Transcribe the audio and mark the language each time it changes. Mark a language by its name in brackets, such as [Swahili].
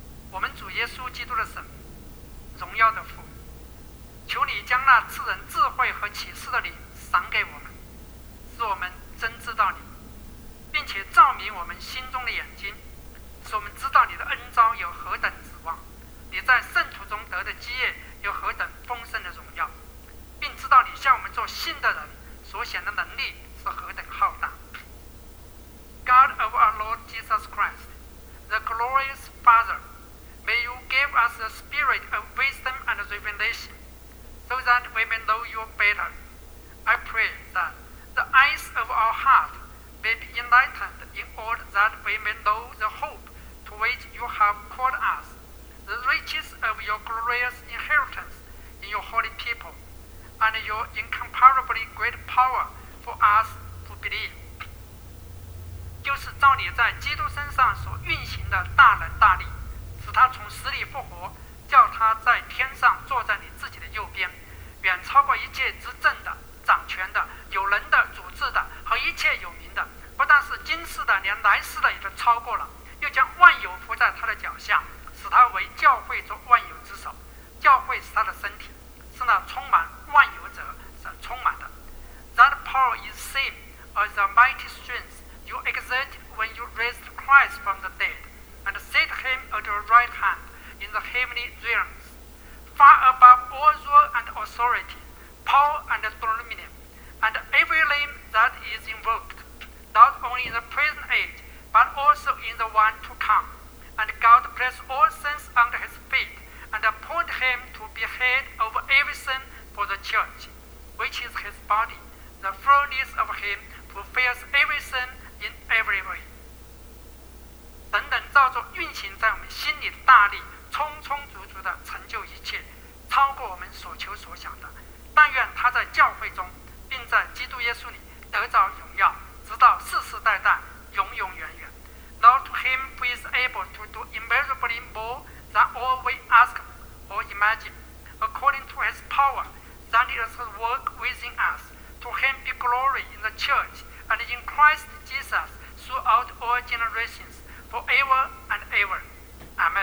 [Chinese] 我们主耶稣基督的神，荣耀的父，求你将那赐人智慧和启示的灵赏给我们，使我们真知道你，并且照明我们心中的眼睛，使我们知道你的恩召有何等指望，你在圣徒中得的基业有何等丰盛的荣耀，并知道你向我们做信的人所显的能力是何等浩大。 [English] God of our Lord Jesus Christ, the glorious Father, may you give us the spirit of wisdom and revelation so that we may know you better. I pray that the eyes of our heart may be enlightened in order that we may know the hope to which you have called us. The riches of your glorious inheritance in your holy people, and your incomparably great power for us to believe. [Chinese] 就是照你在基督身上所运行的大能大力，使他从死里复活，叫他在天上坐在你自己的右边，远超过一切执政的、掌权的、有能的、主治的和一切有名的，不但是今世的，连来世的也都超过了，又将万有伏在他的脚下。使他为教会做万有之首，教会是他的身体，是那充满万有者所充满的。 [English] That power is same as the mighty strength you exerted when you raised Christ from the dead and set him at your right hand in the heavenly realms, far above all rule and authority, power and dominion, and every name that is invoked, not only in the present age, but also in the one to come. And God bless all saints under his feet, and appoint him to be head of everything for the church, which is his body, the fullness of him who fills everything in every way. [Chinese] 等等造作运行在我们心里的大力，充充足足地成就一切，超过我们所求所想的。但愿他在教会中，并在基督耶稣里得着荣耀，直到世世代代，永永远远。 [English] Now to him who is able to do immeasurably more than all we ask or imagine, according to his power, that is his work within us, to him be glory in the church and in Christ Jesus throughout all generations, forever and ever. Amen.